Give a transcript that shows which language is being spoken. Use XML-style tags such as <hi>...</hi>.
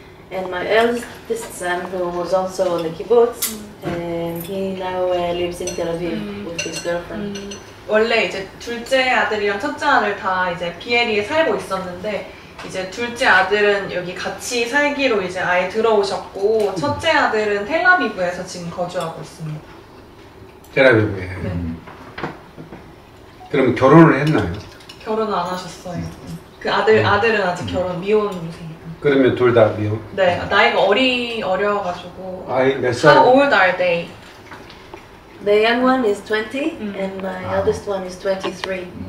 <en>And my eldest son, who was also on the kibbutz, he now lives in Tel Aviv with his girlfriend.</en> <ko>원래 이제 둘째 아들이랑 첫째 아들 다 이제 비엘이에 살고 있었는데 이제 둘째 아들은 여기 같이 살기로 이제 아예 들어오셨고 첫째 아들은 텔아비브에서 지금 거주하고 있습니다. 텔아비브에. 네. 그럼 결혼을 했나요? 결혼 안 하셨어요. 그 아들은 아직 결혼 미혼이세요. 그러면 둘 다 미혼? 네, 나이가 어려워가지고. 아이 몇 살?</ko> <en>How old are they? The young one is 20 and my eldest one is 23.</en>